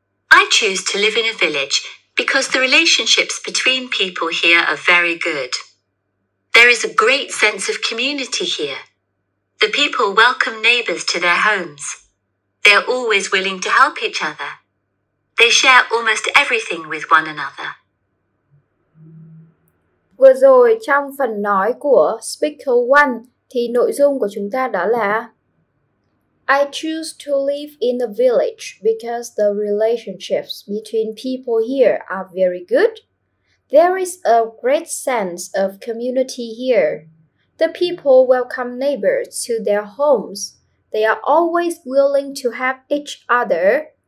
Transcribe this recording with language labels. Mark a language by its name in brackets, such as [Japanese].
[English] I choose to live in a village because the relationships between people here are very good. There is a great sense of community here. The people welcome neighbors to their homes. They are always willing to help each other. They share almost everything with one another. [Vietnamese] Vừa rồi trong phần nói của Speaker 1 thì nội dung của chúng ta đó là [English] I choose to live in a village because the relationships between people here are very good. There is a great sense of community here. The people welcome neighbors to their homes. They are always willing to help each other.